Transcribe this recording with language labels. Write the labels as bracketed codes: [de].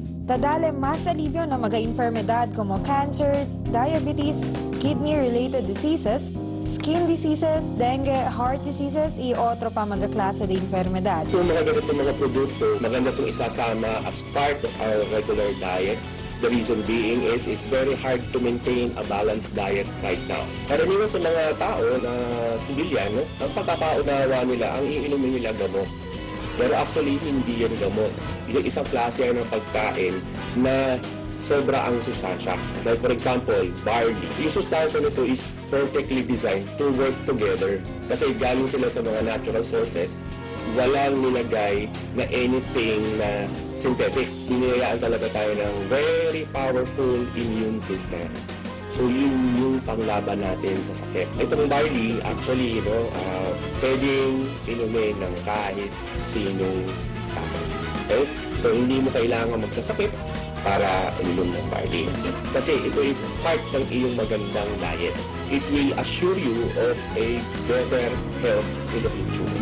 [cbk] Tadale mas alivio na mga enfermedad como cancer, diabetes, kidney-related diseases, skin diseases, dengue, heart diseases, y otro pa mga klase de enfermedad. [tl] Itong mga ganitong mga produkto, maganda itong isasama [en] as part of our regular diet. The reason being is it's very hard to maintain a balanced diet right now. [tl] Karaniwan sa mga tao na civilian, no, ang pagkakaunawa nila, ang iinumin nila gamot. Pero actually, hindi yan gamot. Yung isang klase yan ng pagkain na sobra ang sustansya. [en] Like for example, barley. [tl] Yung sustansya nito [en] is perfectly designed to work together [tl] kasi galing sila sa mga [en] natural sources. [tl] Walang nilagay na anything na synthetic. Binayaan talaga tayo ng [en] very powerful immune system. [tl] So yun yung panglaban natin sa sakit. Itong barley, actually, you know, pwedeng inumin ng kahit sinong tao. Okay? So hindi mo kailangan magkasakit para inumin ng barley. Kasi ito ay part ng iyong magandang diet. [en] It will assure you of a better health in the future.